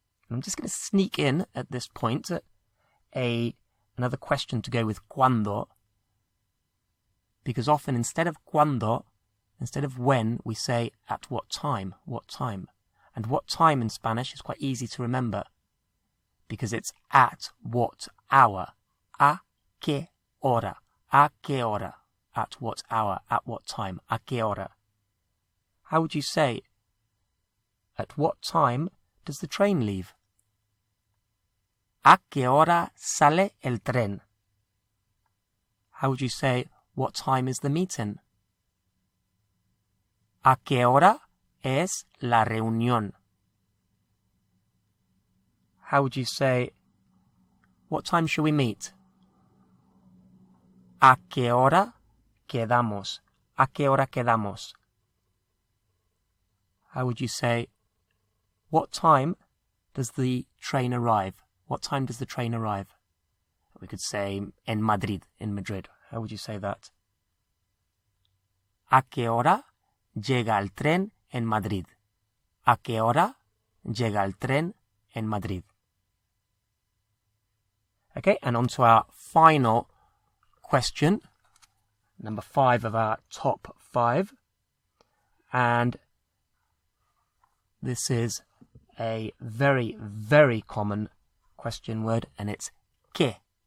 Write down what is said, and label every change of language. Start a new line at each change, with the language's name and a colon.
English: I'm just going to sneak in at this point another question to go with ¿cuándo? Because often instead of ¿cuándo? Instead of when, we say at what time? What time? And what time in Spanish is quite easy to remember because it's at what hour?
Spanish: ¿A qué hora? ¿A qué hora?
English: At what hour? At what time?
Spanish: ¿A qué hora?
English: How would you say, at what time does the train leave?
Spanish: ¿A qué hora sale el tren?
English: How would you say, what time is the meeting?
Spanish: ¿A qué hora es la reunión?
English: How would you say, what time shall we meet?
Spanish: ¿A qué hora quedamos? ¿A qué hora quedamos?
English: How would you say, what time does the train arrive? What time does the train arrive? We could say,
Spanish: en Madrid,
English: in Madrid. How would you say that?
Spanish: ¿A qué hora llega el tren en Madrid? ¿A qué hora llega el tren en Madrid?
English: Okay, and on to our final question, number 5 of our top 5. And this is a very, very common question word, and it's ¿qué?